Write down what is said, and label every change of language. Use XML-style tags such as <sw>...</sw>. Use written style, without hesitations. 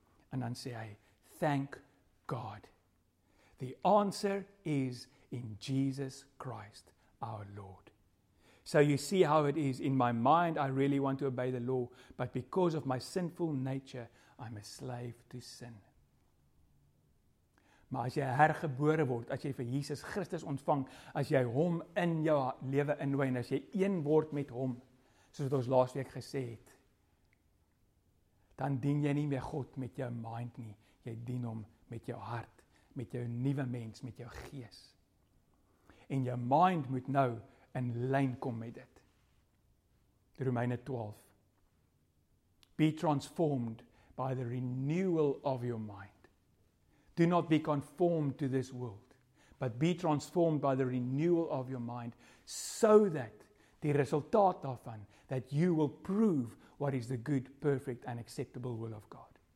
<af>En dan sê hy,</af> <en>thank God. The answer is in Jesus Christ, our Lord. So you see how it is. In my mind, I really want to obey the law, but because of my sinful nature, I'm a slave to sin.</en> <af>Maar as jy hergebore word, as jy vir Jesus Christus ontvang, as jy hom in jou lewe innooi, as jy een word met hom, soos wat ons laas week gesê het, dan dien jy nie meer God met jou mind nie. Jy dien hom met jou hart, met jou nuwe mens, met jou gees. En jou mind moet nou in lyn kom met dit. Romeine 12.</af> <en>Be transformed by the renewal of your mind. Do not be conformed to this world, but be transformed by the renewal of your mind, so that</en> <af>die resultaat daarvan,</af> <en>that you will prove what is the good, perfect and acceptable will of God.</en>